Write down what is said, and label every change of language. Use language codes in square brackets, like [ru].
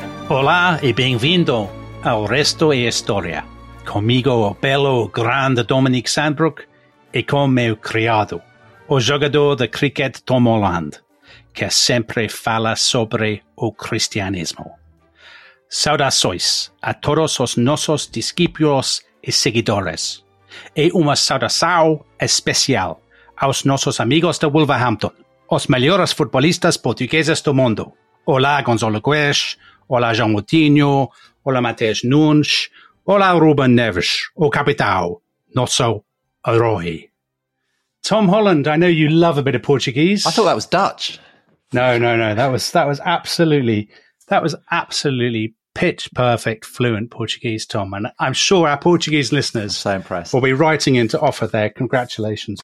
[es] Hola y bienvenido al resto de historia. Conmigo el bello grande Dominic Sandbrook y con mi criado, el jugador de cricket Tom Holland, que siempre fala sobre el cristianismo. [pt] Saudações a todos os nossos discípulos e seguidores, e uma saudação especial aos nossos amigos de Wolverhampton, os melhores futbolistas portugueses do mundo. Olá, Gonzalo Guedes, olá, João Moutinho, olá, Matheus Nunes, olá, Ruben Neves, o capitão, nosso herói. [en] Tom Holland, I know you love a bit of Portuguese. I thought that was Dutch. No, that was absolutely pitch perfect fluent Portuguese, Tom, and I'm sure our Portuguese listeners so impressed will be writing in to offer their congratulations.